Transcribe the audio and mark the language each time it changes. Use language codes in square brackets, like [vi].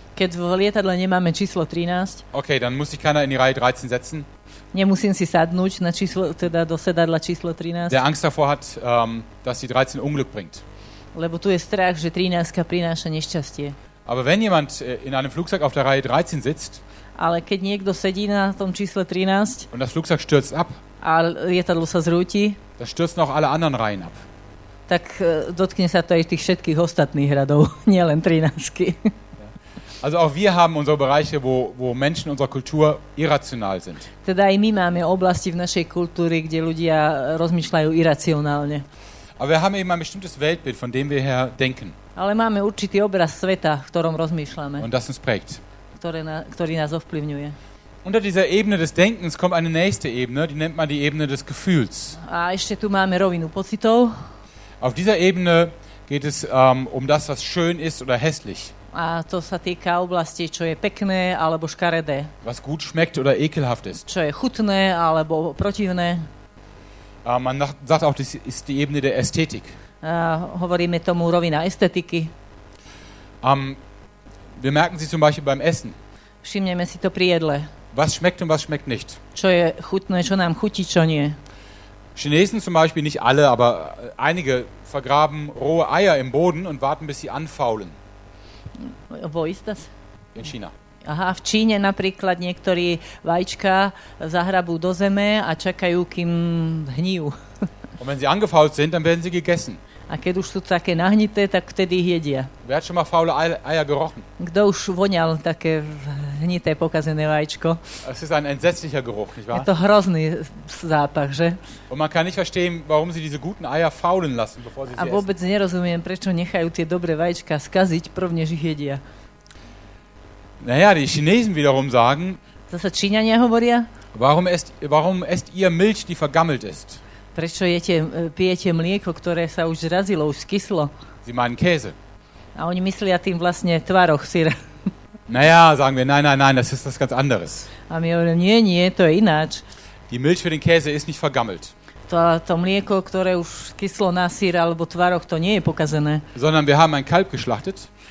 [sk] keď v lietadle nemáme číslo 13, [de] okay, dann muss sich keiner in die Reihe 13 setzen. [sk] Nemusím si sadnúť na číslo, teda do sedadla číslo 13. [de] Der Angst davor hat, dass die 13 Unglück bringt. [sk] Lebo tu je strach, že 13 prináša nešťastie. [de] Aber wenn jemand in einem Flugzeug auf der Reihe 13 sitzt, [sk] ale keď niekto sedí na tom čísle 13 [de] und das Flugzeug stürzt ab, [sk] a lietadlo sa zrúti, [de] das stürzt noch alle anderen Reihen ab. [sk] Tak dotkne sa to aj tých všetkých ostatných radov, nielen 13. [de] Also auch wir haben unsere Bereiche, wo Menschen unserer Kultur irrational sind. [sk] Teda aj my máme oblasti v našej kultúre, kde ľudia rozmýšľajú iracionálne. [de] Aber wir haben eben ein bestimmtes Weltbild, von dem wir her denken. [sk] Ale máme určitý obraz sveta, v ktorom rozmýšľame. [de] Und das uns prägt. [sk] Ktorý nás ovplyvňuje. [de] Unter dieser Ebene des Denkens kommt eine nächste Ebene, die nennt man die Ebene des Gefühls. [sk] A ešte tu máme rovinu pocitov. [de] Auf dieser Ebene geht es um das, was schön ist oder hässlich. [sk] A to sa týka oblasti, čo je pekné alebo škaredé. [de] Was gut schmeckt oder ekelhaft ist. [sk] Čo je chutné alebo protivné. [de] Man sagt auch, das ist die Ebene der Ästhetik. [sk] Hovoríme tomu rovina estetiky. [de] Wir merken sie zum Beispiel beim Essen. [sk] Všimneme si to pri jedle. [de] Was schmeckt und was schmeckt nicht. [sk] Čo je chutné, čo nám chutí, čo nie. [de] Chinesen zum Beispiel, nicht alle, aber einige vergraben rohe Eier im Boden und warten, bis sie anfaulen. Wo ist das? In China. [sk] Aha, v Číne napríklad niektorí vajíčka zahrabú do zeme a čakajú, kým hníjú. [de] Und wenn sie angefault sind, dann werden sie gegessen. [sk] A keď už sú také nahnité, tak vtedy ich jedia. [de] Wer hat schon mal faule Eier gerochen? [sk] Kto už voňal také hnité, pokazené vajíčko? [de] Es ist ein entsetzlicher Geruch, nicht wahr? [sk] Je to hrozný zápach, že? [de] Und man kann nicht verstehen, warum sie diese guten Eier faulen lassen, bevor sie [sk] a [de] sie [sk] vôbec [de] essen. [sk] Nerozumiem, prečo nechajú tie dobré vajíčka skaziť, prv než ich jedia. [de] Naja, die Chinesen wiederum sagen, [sk] zase Číňania hovoria, [de] warum esst ihr Milch, die vergammelt ist? [sk] Prečo pijete mlieko, ktoré sa už zrazilo, už skyslo? [de] Sie meinen Käse. [sk] A oni myslia tým vlastne tvaroch, syr. [de] Naja, sagen wir, nein, das ist das ganz anderes. [sk] A my hovorím, nie, to je ináč. [de] Die Milch für den Käse ist nicht vergammelt. [sk] To mlieko, ktoré už skyslo na syr alebo tvaroch, to nie je pokazené. [de] Sondern wir haben ein Kalb geschlachtet.